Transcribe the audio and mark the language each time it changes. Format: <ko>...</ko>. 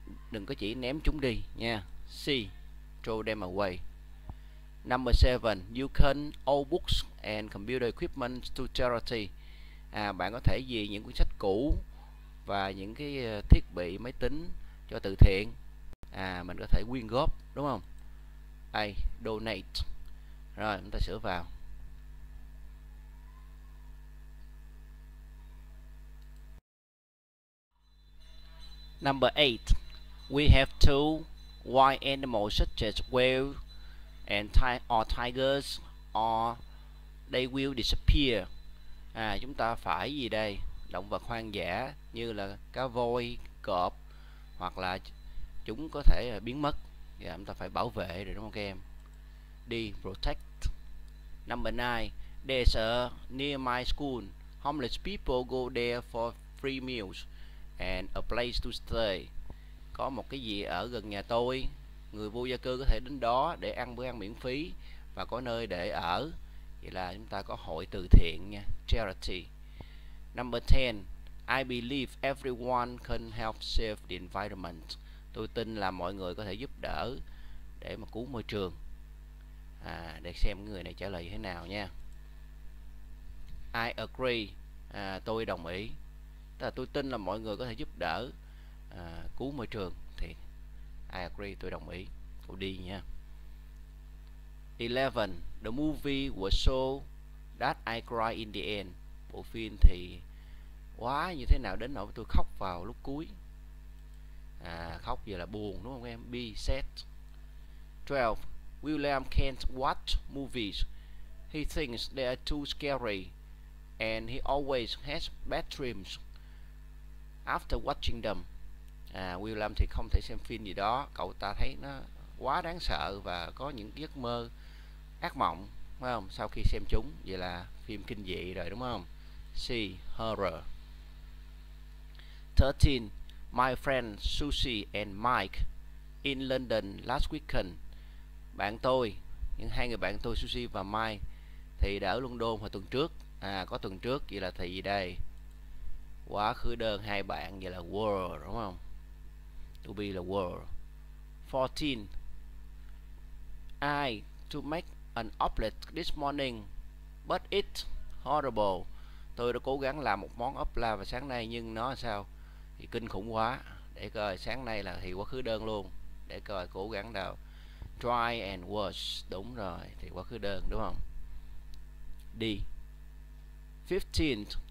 <vi>Đừng có chỉ ném chúng đi nha.</vi> <en>C, throw them away. Number 7, you can owe books and computer equipment to charity.</en> <vi>Bạn có thể gì những cuốn sách cũ và những cái thiết bị máy tính cho từ thiện. Mình có thể quyên góp, đúng không? A, donate. Rồi, chúng ta sửa vào.</vi> <en>Number 8. We have two wild animals such as whales and tigers or they will disappear.</en> <vi>Chúng ta phải gì đây? Động vật hoang dã như là cá voi, cọp hoặc là chúng có thể biến mất. Và chúng ta phải bảo vệ rồi đúng không các em?</vi> <en>Đi protect. Number 9. There's a near my school. Homeless people go there for free meals and a place to stay.</en> <vi>Có một cái gì ở gần nhà tôi, người vô gia cư có thể đến đó để ăn bữa ăn miễn phí và có nơi để ở. Vậy là chúng ta có hội từ thiện nha, charity.</vi> <en>Number 10. I believe everyone can help save the environment.</en> <vi>Tôi tin là mọi người có thể giúp đỡ để mà cứu môi trường. Để xem người này trả lời thế nào nha.</vi> <en>I agree.</en> <vi>Tôi đồng ý. Tôi tin là mọi người có thể giúp đỡ cứu môi trường. Thì</vi> <en>I agree,</en> <vi>tôi đồng ý. Cô đi nha. 11.</vi> <en>The movie was so that I cried in the end.</en> <vi>Bộ phim thì quá như thế nào đến nỗi tôi khóc vào lúc cuối. Khóc giờ là buồn đúng không em?</vi> <en>Be sad. 12. William can't watch movies. He thinks they are too scary and he always has bad dreams after watching them.</en> <vi>William thì không thể xem phim gì đó. Cậu ta thấy nó quá đáng sợ và có những giấc mơ ác mộng, phải không? Sau khi xem chúng, vậy là phim kinh dị rồi đúng không? C, horror. 13.</vi> <en>My friend Susie and Mike in London last weekend.</en> <vi>Bạn tôi, những hai người bạn tôi Susie và Mike thì đã ở London hồi tuần trước. Có tuần trước, vậy là thì gì đây? Quá khứ đơn hai bạn, vậy là were, đúng không? To be là were. 14.</vi> <en>I to make an omelet this morning, but it horrible.</en> <vi>Tôi đã cố gắng làm một món omelet vào sáng nay nhưng nó sao? Thì kinh khủng quá. Để coi sáng nay là thì quá khứ đơn luôn. Để coi cố gắng nào.</vi> <en>Try and was.</en> <vi>Đúng rồi, thì quá khứ đơn đúng không? D. 15.</vi>